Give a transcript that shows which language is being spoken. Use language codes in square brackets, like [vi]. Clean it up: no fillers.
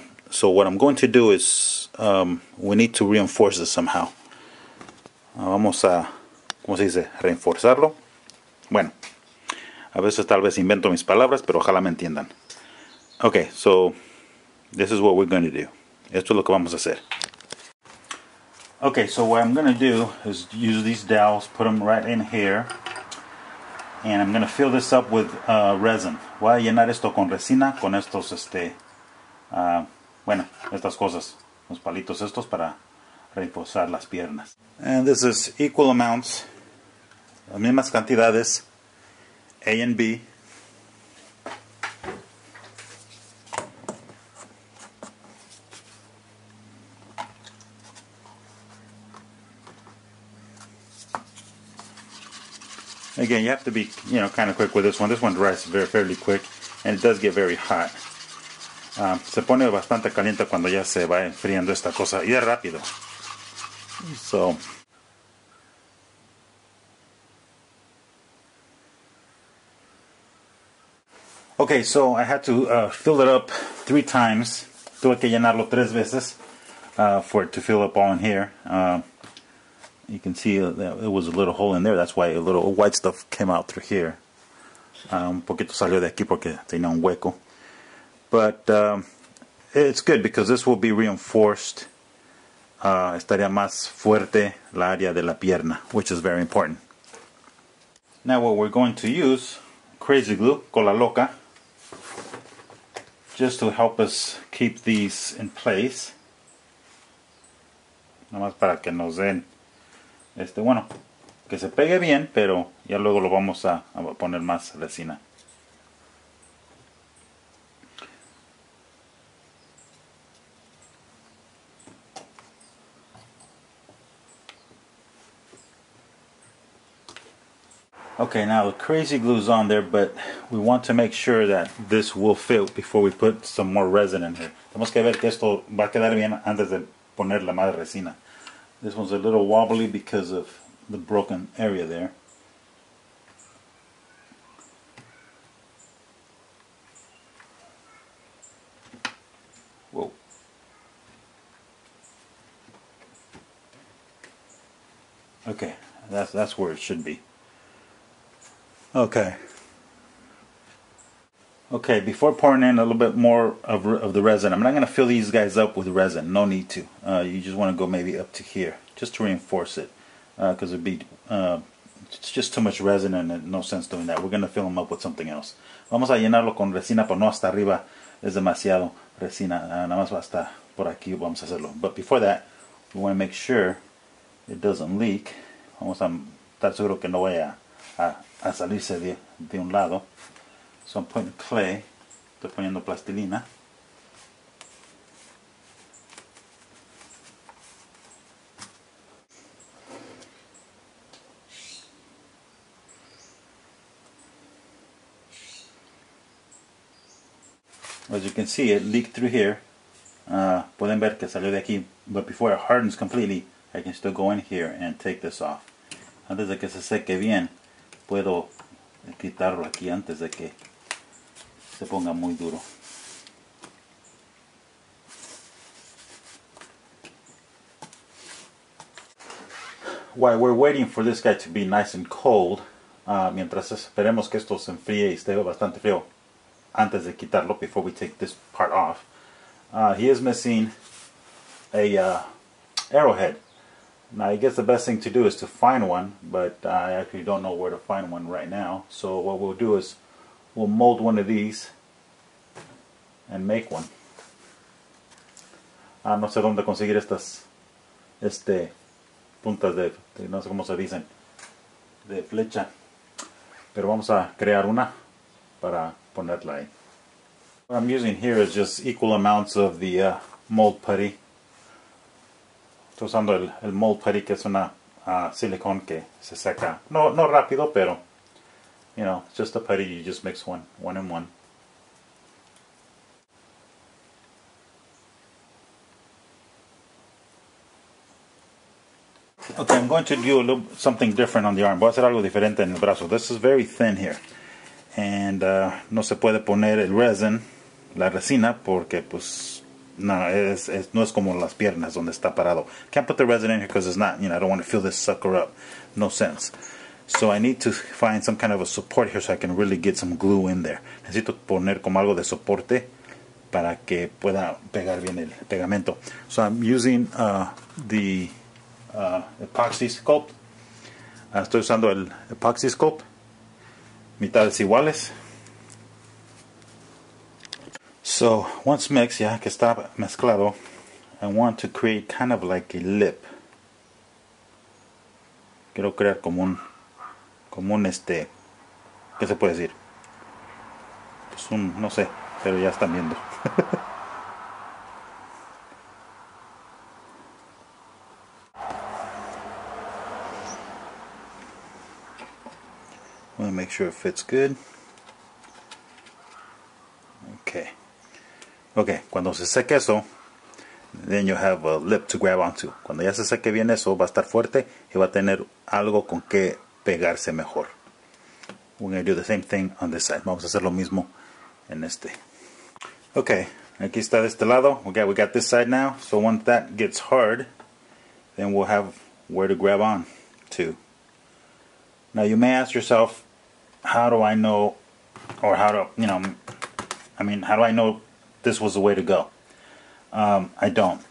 [en] So what I'm going to do is, we need to reinforce this somehow. [es] Vamos a, ¿cómo se dice? Reinforzarlo. Bueno, a veces tal vez invento mis palabras, pero ojalá me entiendan. [en] Okay, so this is what we're going to do. [es] Esto es lo que vamos a hacer. [en] Okay, so what I'm going to do is use these dowels, put them right in here, and I'm going to fill this up with resin. [es] Voy a llenar esto con resina, con estos, estas cosas, los palitos estos para reforzar las piernas. [en] And this is equal amounts, [es] las mismas cantidades, [en] A and B. Again, you have to be, you know, kind of quick with this one. This one dries very fairly quick, and it does get very hot. [es] Se pone bastante caliente cuando ya se va enfriando esta cosa, y es rápido. [en] So, okay, so I had to fill it up three times. [es] Tuve que llenarlo tres veces [en] for it to fill up all in here. You can see that it was a little hole in there. That's why a little white stuff came out through here. [es] Un poquito salió de aquí porque tenía un hueco. [en] But it's good because this will be reinforced. [es] Estaría más fuerte la área de la pierna, [en] which is very important. Now what we're going to use, crazy glue, [es] cola loca, [en] just to help us keep these in place. [es] Nomás para que nos den. Bueno, que se pegue bien, pero ya luego lo vamos a poner más resina. [en] Okay, now the crazy glue's on there, but we want to make sure that this will fit before we put some more resin in here. [es] Tenemos que ver que esto va a quedar bien antes de poner la más resina. [en] This one's a little wobbly because of the broken area there. Whoa. Okay, that's where it should be. Okay. Okay, before pouring in a little bit more of the resin, I'm not going to fill these guys up with resin. No need to. You just want to go maybe up to here, just to reinforce it. Because it'd be it's just too much resin and no sense doing that. We're going to fill them up with something else. [es] Vamos a llenarlo con resina, pero no hasta arriba. Es demasiado resina. Nada más va hasta por aquí. Vamos a hacerlo. [en] But before that, we want to make sure it doesn't leak. [es] Vamos a estar seguro que no vaya a salirse de un lado. [en] So I'm putting clay, [es] estoy poniendo plastilina. [en] As you can see, it leaked through here. [es] Pueden ver que salió de aquí. [en] But before it hardens completely, I can still go in here and take this off. [es] Antes de que se seque bien, puedo quitarlo aquí antes de que se ponga muy duro. [en] while we're waiting for this guy to be nice and cold, [es] mientras esperemos que esto se enfríe y esté bastante frío, antes de quitarlo, [en] before we take this part off, he is missing a arrowhead. Now, I guess the best thing to do is to find one, but I actually don't know where to find one right now. So what we'll do is we'll mold one of these and make one. [es] No sé dónde conseguir estas, puntas de, no sé cómo se dicen, de flecha. Pero vamos a crear una para ponerla ahí. [en] What I'm using here is just equal amounts of the mold putty. [es] Estoy usando el mold putty, que es una silicone que se seca. No rápido, pero, [en] you know, it's just a putty, you just mix one and one. Okay, I'm going to do a little something different on the arm. [es] Voy a hacer algo diferente en el brazo. [en] This is very thin here. And [es] no se puede poner el resin, la resina, porque pues no, no es como las piernas donde está parado. [en] Can't put the resin in here because it's not, you know, I don't want to fill this sucker up. No sense. So I need to find some kind of a support here so I can really get some glue in there. Necesito poner como algo de soporte para que pueda pegar bien el pegamento. So I'm using epoxy sculpt. [es] Estoy usando el epoxy sculpt. Mitades iguales. [en] So once mixed, [es] ya que está mezclado, [en] I want to create kind of like a lip. [es] Quiero crear como un ¿qué se puede decir? Pues un, no sé, pero ya están viendo. [en] Want to make sure it fits good. Okay, [es] cuando se seque eso, [en] then you have a lip to grab onto. [es] Cuando ya se seque bien eso, va a estar fuerte y va a tener algo con que pegarse mejor. [en] We're going to do the same thing on this side. [es] Vamos a hacer lo mismo en este. [en] Okay, [es] aquí está de este lado. [en] Okay, we got this side now. So once that gets hard, then we'll have where to grab on to. Now you may ask yourself, how do I know, or how do, you know, I mean, how do I know this was the way to go? I don't.